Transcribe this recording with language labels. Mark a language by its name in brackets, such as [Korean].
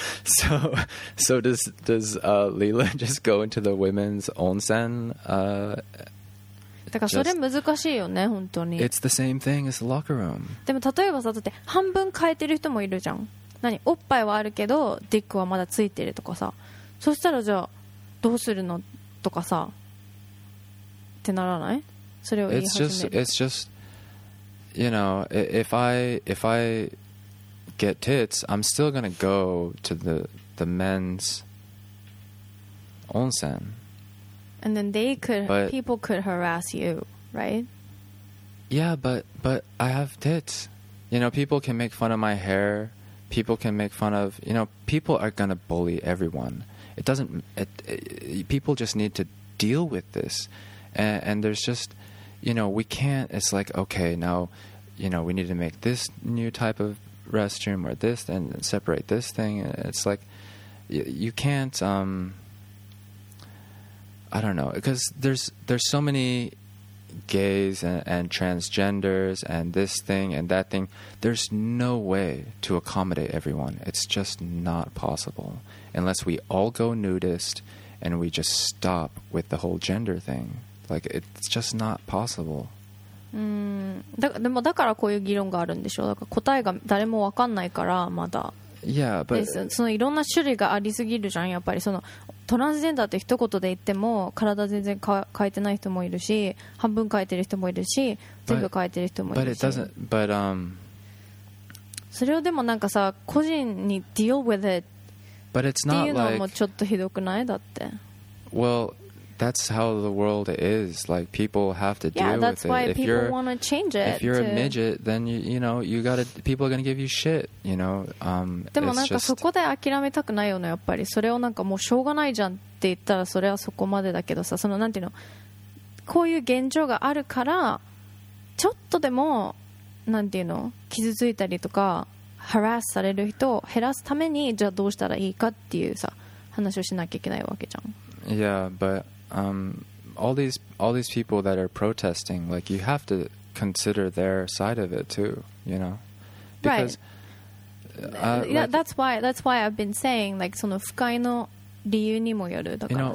[English] so does Lila just go into the women's 温泉? [Japanese] だからそれ難しいよね、本当に。 [English] It's the same thing as the locker room. [Japanese] でも例えばさ、だって半分変えてる人もいるじゃん。何、おっぱいはあるけどディックはまだついてるとかさ。そしたらじゃあどうするのとかさってならない？それを言い始める。 [English] It's just, you know, if I get tits, I'm still gonna go to the men's 温泉。 And then people could harass you, right? Yeah, but I have tits. You know, people can make fun of my hair, people can make fun of. You know, people are going to bully everyone. It doesn't. People just need to deal with this. And there's just, you know, we can't. It's like, okay, now, you know, we need to make this new type of restroom or this and separate this thing. It's like you can't. I don't know, because there's so many gays and transgenders and this thing and that thing. There's no way to accommodate everyone. It's just not possible unless we all go nudist and we just stop with the whole gender thing. Like, it's just not possible. [Japanese] でもだからこういう議論があるんでしょう。だから答えが誰も分かんないからまだ。 [English] Yeah, but [Japanese] でそのいろんな種類がありすぎるじゃん。やっぱりそのトランスジェンダーって一言で言っても体全然変えてない人もいるし、半分変えてる人もいるし、全部変えてる人もいるし。 [English] But it doesn't. But [Japanese] それをでもなんかさ個人に [English] deal with it [Japanese] っていうのもちょっとひどくないだって。 [English] Well. That's how the world is. Like, people have to deal with it. Yeah, that's why people want to change it. If you're a midget, then you know, people are going to give you shit, you know. [Japanese] でもなんかそこで諦めたくないよね、やっぱり。それをなんかもうしょうがないじゃんって言ったら、それはそこまでだけどさ、そのなんていうの、こういう現状があるから、ちょっとでも、なんていうの、傷ついたりとか、ハラスされる人を減らすために、じゃあどうしたらいいかっていうさ、話をしなきゃいけないわけじゃん。 [English] Yeah, but all these people that are protesting, like, you have to consider their side of it too, you know? Because, right. Yeah, like, that's why I've been saying, like, [Japanese] その不快の理由にもよる。だから、 [English] you know,